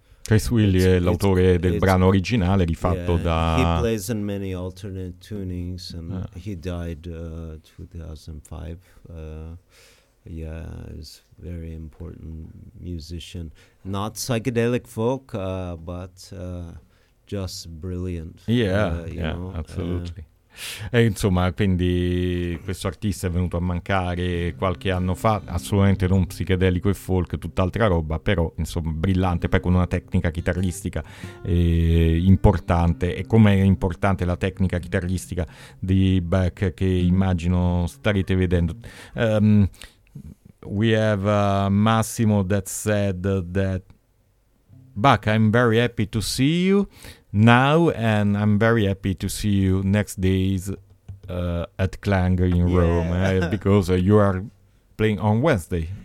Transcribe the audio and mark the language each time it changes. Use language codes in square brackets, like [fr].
[it] Chris Whitley è l'autore del brano originale, rifatto da... [en] He plays in many alternate tunings, and he died 2005. He's a very important musician. Not psychedelic folk, but just brilliant. Absolutely. [it] E insomma, quindi questo artista è venuto a mancare qualche anno fa, assolutamente non psichedelico e folk, tutt'altra roba, però insomma brillante, poi con una tecnica chitarristica importante, e com'è importante la tecnica chitarristica di Beck, che immagino starete vedendo. [en] We have Massimo that said that Beck, I'm very happy to see you now, and I'm very happy to see you next days at Klang in Rome, because you are playing on Wednesday.